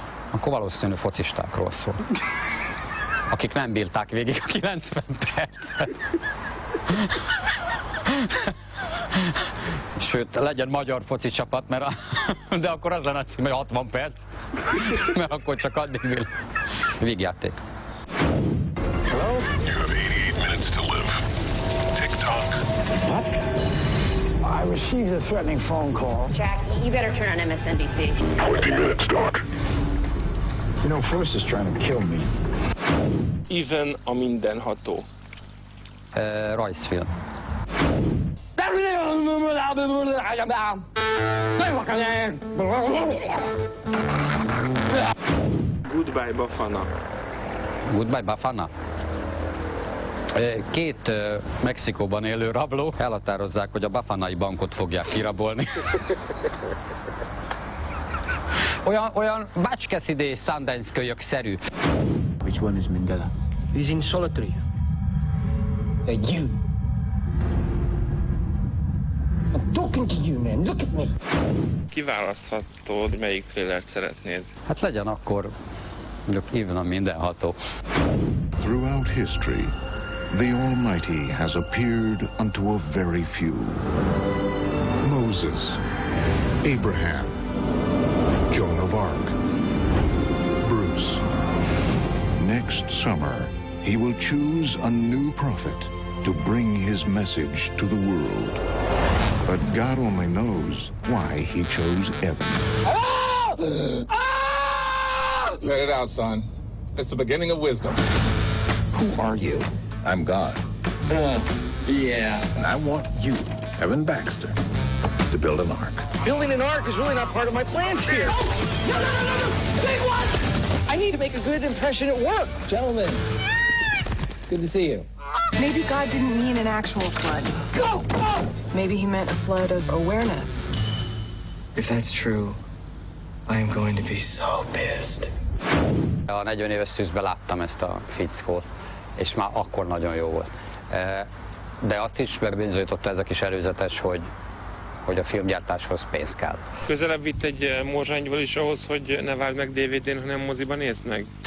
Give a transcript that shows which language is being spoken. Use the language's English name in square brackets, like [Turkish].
[Hungarian] Akkor valószínű focistákról szól. Akik nem bírták végig a 90 percet. Sőt, legyen magyar foci csapat, de akkor az lenne a cím, hogy 60 perc, mert akkor csak addig mi vígjáték. [English] Hello? You have 88 minutes to live. Tick-tock. What? I received a threatening phone call. Jack, you better turn on MSNBC. 20 minutes, Doc. You know, Forrest is trying to kill me. [Hungarian] Even a mindenható. Rajzfilm. [English] Goodbye Bafana. Goodbye Bafana. [Hungarian] Két Mexikóban élő rabló elhatározzák, hogy a Bafanai bankot fogják kirabolni. olyan Bácskeszidé Sundance kölyök szerű. [English] Which one is Mandela? He's in solitary. And you. I'm talking to you, man. Look at me. [Hungarian] Kiválaszthatod, melyik thrillert szeretnéd? Hát legyen akkor Even a Mindenható. [English] Throughout history, the Almighty has appeared unto a very few. Moses, Abraham, Joan of Arc, Bruce. Next summer, he will choose a new prophet to bring his message to the world. But God only knows why he chose Evan. Let it out, son. It's the beginning of wisdom. Who are you? I'm God. And I want you, Evan Baxter, to build an ark. Building an ark is really not part of my plans here. Big one! I need to make a good impression at work. Gentlemen, good to see you. Maybe God didn't mean an actual flood. Go! Maybe he meant a flood of awareness. If that's true, I am going to be so pissed. [Hungarian] A 40 éves szűzben láttam ezt a fickót, és már akkor nagyon jó volt. De azt is megbizonyította ez a kis előzetes, hogy a filmgyártáshoz pénz kell. Közelebb vitt egy Morzsányval is ahhoz, hogy ne várd meg DVD-n, hanem moziban nézd meg?